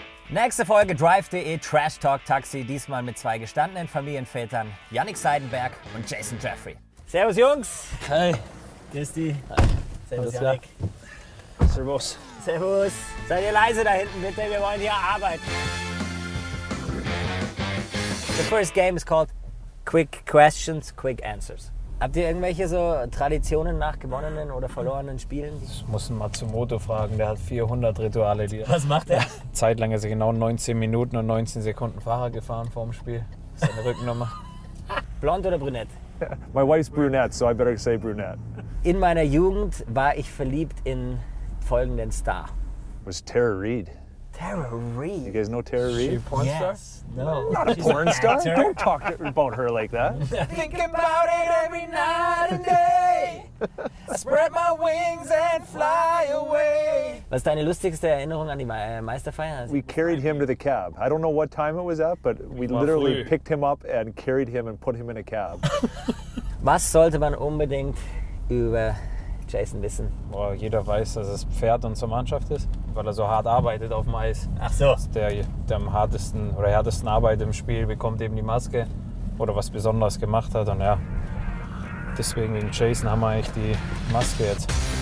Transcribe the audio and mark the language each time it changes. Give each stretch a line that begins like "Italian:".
German: Nächste Folge Drive.de Trash Talk Taxi, diesmal mit zwei gestandenen Familienvätern, Yannic Seidenberg und Jason Jaffray. Servus Jungs! Hi, grüß dich. Servus Yannic. Servus. Servus. Seid ihr leise da hinten bitte, wir wollen hier arbeiten.
English: The first game is called Quick Questions, Quick Answers.
German: Habt ihr irgendwelche so Traditionen nach gewonnenen oder verlorenen Spielen? Das muss man Matsumoto fragen, der hat 400 Rituale. Die Was macht er? Zeitlang ist er genau 19 Minuten und 19 Sekunden Fahrer gefahren vor dem Spiel. Seine Rückennummer. Blond oder brünett?
English: My wife's brunette, so I better say brunette.
German: In meiner Jugend war ich verliebt in folgenden Star.
English: It was Tara Reid. Tara Reid? You guys know Tara Reid? She porn yes. star? No. Not a porn star. Actor. Don't talk about her like that. Think about it every night and day. Spread my wings and fly away.
German: Was ist deine lustigste Erinnerung an die Meisterfeier?
English: We carried him to the cab. I don't know what time it was at, but we literally picked him up and carried him and put him in a cab.
German: Was sollte man unbedingt über Jason wissen? Boah, jeder weiß, dass es Pferd und zur Mannschaft ist, weil er so hart arbeitet auf dem Eis. Ach so. Der am hartesten oder härtesten Arbeit im Spiel bekommt eben die Maske oder was Besonderes gemacht hat. Und ja, deswegen wegen Jason haben wir eigentlich die Maske jetzt.